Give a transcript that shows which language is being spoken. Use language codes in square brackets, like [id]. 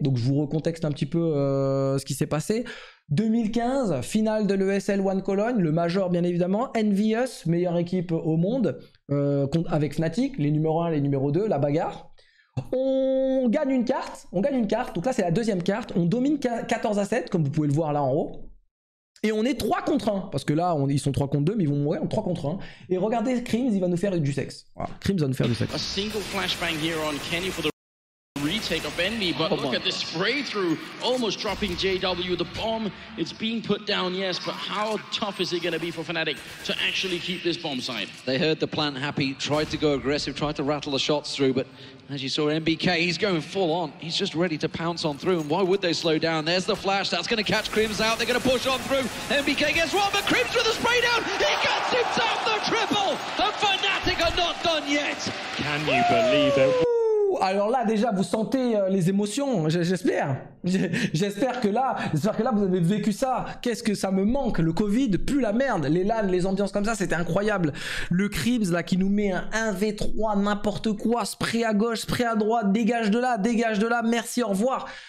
[fr] Donc je vous recontexte un petit peu ce qui s'est passé. 2015, finale de l'ESL One Cologne, le Major bien évidemment, Envious, meilleure équipe au monde, avec Fnatic, les numéros 1, les numéros 2, la bagarre. On gagne une carte, donc là c'est la deuxième carte, on domine 14-7, comme vous pouvez le voir là en haut, et on est 3 contre 1, parce que là ils sont 3 contre 2, mais ils vont mourir, 3 contre 1, et regardez, Crims, il va nous faire du sexe. Voilà, Crims va nous faire du sexe. [en] A single flashbang here on Kenny for the retake of Envy, but look at this spray through, almost dropping JW, the bomb, it's being put down, yes, but how tough is it going to be for Fnatic to actually keep this bomb site? They heard the plant happy, tried to go aggressive, tried to rattle the shots through, but as you saw, MBK, he's going full on, he's just ready to pounce on through, and why would they slow down? There's the flash, that's going to catch Crims out, they're going to push on through, MBK gets one, but Crims with the spray down, he gets himself the triple, and Fnatic are not done yet. Can you believe it? [fr] Alors là, déjà, vous sentez les émotions, j'espère. J'espère que là, vous avez vécu ça. Qu'est-ce que ça me manque, le Covid, plus la merde, les LAN, les ambiances comme ça, c'était incroyable. Le Crims, là, qui nous met un 1v3, n'importe quoi, spray à gauche, spray à droite, dégage de là, merci, au revoir.